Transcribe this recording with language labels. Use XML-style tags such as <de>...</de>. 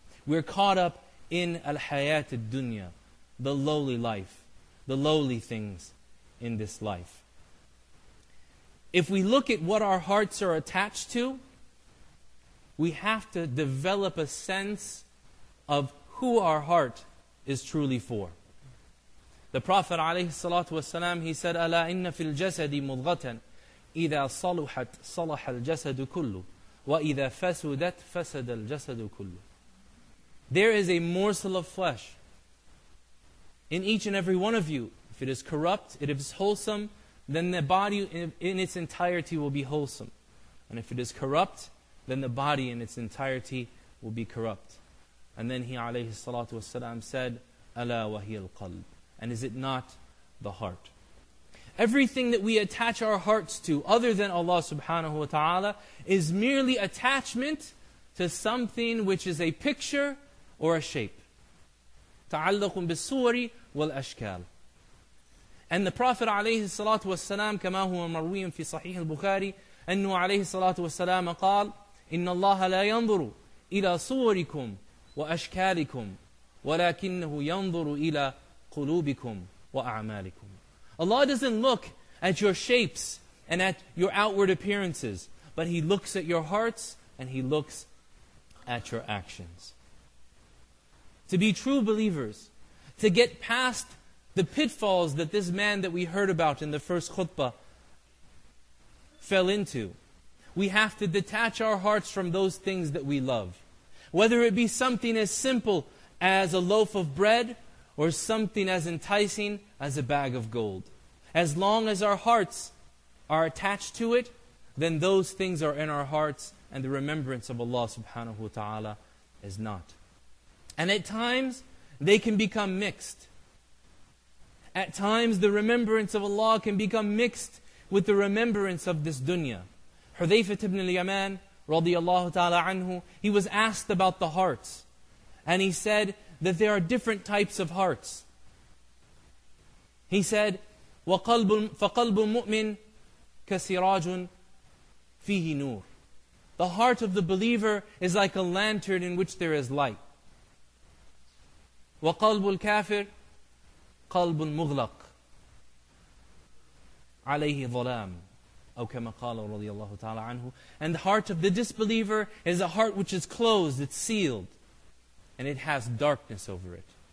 <en>We're caught up in al-hayat al-dunya, the lowly life, the lowly things in this life. If we look at what our hearts are attached to, we have to develop a sense of who our heart is truly for. The Prophet alayhi salatu wasalam, he said,</en> <ar>أَلَا إِنَّ فِي الْجَسَدِ مُضْغَةً إِذَا صَلُحَتْ صَلَحَ الْجَسَدُ كُلُّ وَإِذَا فَسُدَتْ فَسَدَ الْجَسَدُ كُلُّ.</ar> <en>There is a morsel of flesh in each and every one of you. If it is corrupt, if it is wholesome, then the body in its entirety will be wholesome. And if it is corrupt, then the body in its entirety will be corrupt. And then he alayhi salatu wasalam said,</en> <ar>أَلَا وَهِيَ الْقَلْبِ.</ar> <en>And is it not the heart? Everything that we attach our hearts to, other than Allah subhanahu wa ta'ala, is merely attachment to something which is a picture or a shape.</en> <ar>تَعَلَّقٌ بِالصُّورِ وَالْأَشْكَالِ.</ar> <en>And the Prophet</en> <ar>عليه الصلاة والسلام كما هو مرويا في صحيح البخاري أنه عليه الصلاة والسلام قال, إن الله لا ينظر إلى صوركم وأشكالكم ولكنه ينظر إلى قلوبكم وأعمالكم.</ar> <en>Allah doesn't look at your shapes and at your outward appearances, but He looks at your hearts and He looks at your actions. To be true believers, to get past the pitfalls that this man that we heard about in the first khutbah fell into, we have to detach our hearts from those things that we love. Whether it be something as simple as a loaf of bread or something as enticing as a bag of gold. As long as our hearts are attached to it, then those things are in our hearts and the remembrance of Allah subhanahu wa ta'ala is not. And at times, they can become mixed. At times, the remembrance of Allah can become mixed with the remembrance of this dunya. Hudhayfah ibn al-Yaman, radiyallahu ta'ala anhu, he was asked about the hearts. And he said that there are different types of hearts. He said,</en> <ar>فَقَلْبُ مُؤْمِنْ كَسِرَاجٌ فِيهِ نُورٌ.</ar> <en>The heart of the believer is like a lantern in which there is light.</en> <ar>وَقَلْبُ الْكَافِرِ قَلْبٌ مُغْلَقٌ عَلَيْهِ ظُلَامٌ أَوْ كَمَا قَالَ رَضِيَ اللَّهُ تَعَالَى عَنْهُ.</ar> <en>And the heart of the disbeliever is a heart which is closed, it's sealed, and it has darkness over it.</en>